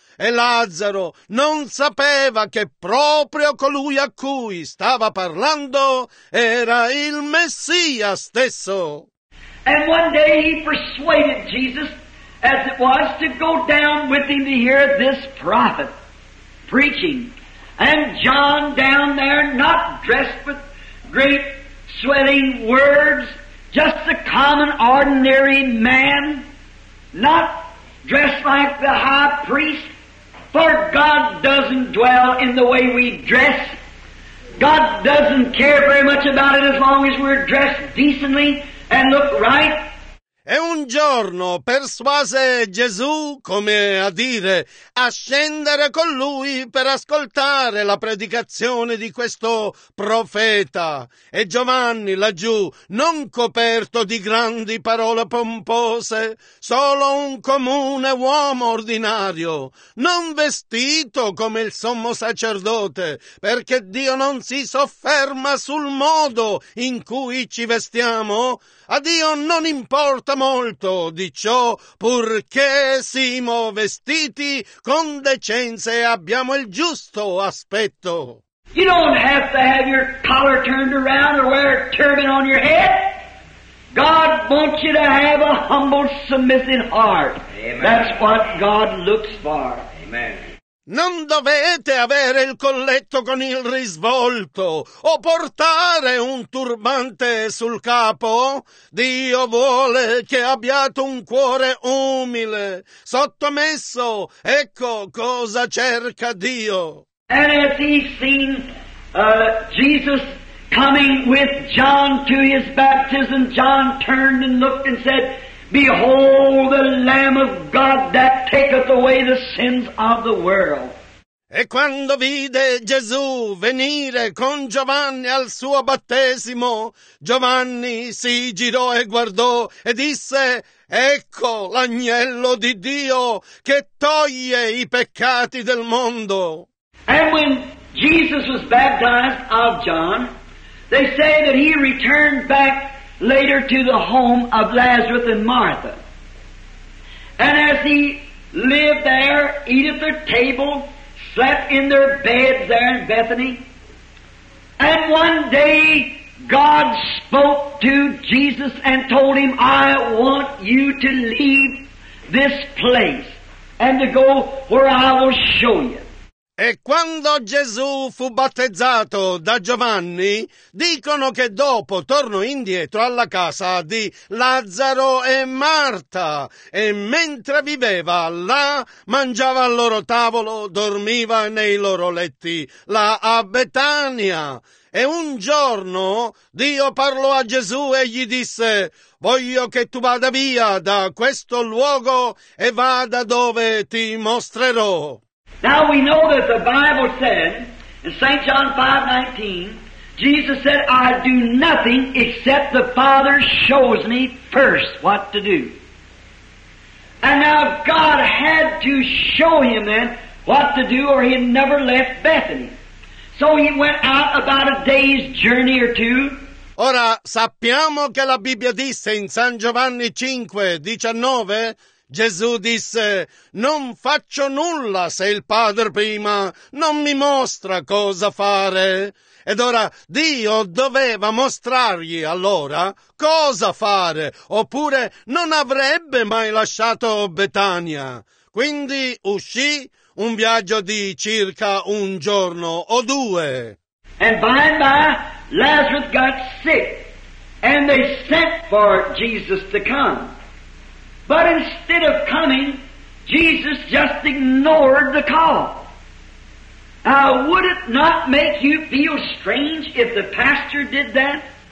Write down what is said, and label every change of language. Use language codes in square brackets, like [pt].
[it] E Lazzaro non sapeva che proprio colui a cui stava parlando era il Messia stesso. [en] And one day he persuaded Jesus, as it was, to go down with him to hear this prophet preaching. And John down there, not dressed with great sweating words, just a common ordinary man, not dressed like the high priest. For God doesn't dwell in the way we dress. God doesn't care very much about it as long as we're dressed decently and look right. [it] E un giorno persuase Gesù, come a dire, a scendere con lui per ascoltare la predicazione di questo profeta. E Giovanni laggiù, non coperto di grandi parole pompose, solo un comune uomo ordinario, non vestito come il sommo sacerdote, perché Dio non si sofferma sul modo in cui ci vestiamo. A Dio non importa molto di ciò, purché siamo vestiti con decenza e abbiamo il giusto aspetto. [en] You don't have to have your collar turned around or wear a turban on your head. God wants you to have a humble, submissive heart. Amen. That's what God looks for. Amen. [it] Non dovete avere il colletto con il risvolto o portare un turbante sul capo. Dio vuole che abbiate un cuore umile, sottomesso. Ecco cosa cerca Dio. [en] And as he seen Jesus coming with John to his baptism, John turned and looked and said, Behold the Lamb of God that taketh away the sins of the world. [it] E quando vide Gesù venire con Giovanni al suo battesimo, Giovanni si girò e guardò e disse, Ecco l'agnello di Dio che toglie i peccati del mondo. [en] And when Jesus was baptized of John, they say that he returned back later to the home of Lazarus and Martha. And as he lived there, eat at their table, slept in their beds there in Bethany. And one day God spoke to Jesus and told him, I want you to leave this place and to go where I will show you. [it] E quando Gesù fu battezzato da Giovanni, dicono che dopo tornò indietro alla casa di Lazzaro e Marta, e mentre viveva là, mangiava al loro tavolo, dormiva nei loro letti, là a Betania. E un giorno Dio parlò a Gesù e gli disse, Voglio che tu vada via da questo luogo e vada dove ti mostrerò. [en] Now we know that the Bible says, in St. John 5:19, Jesus said, I do nothing except the Father shows me first what to do. And now God had to show him then what to do, or he had never left Bethany. So he went out about a day's journey or two. [it] Ora, sappiamo che la Bibbia disse in San Giovanni 5:19, Gesù disse, non faccio nulla se il Padre prima non mi mostra cosa fare. Ed ora Dio doveva mostrargli allora cosa fare, oppure non avrebbe mai lasciato Betania. Quindi uscì un viaggio di circa un giorno o due. [en] And by and by, Lazarus got sick, and they sent for Jesus to come. But instead of coming, Jesus just ignored the call. Now, would it not make you feel strange if the pastor did that?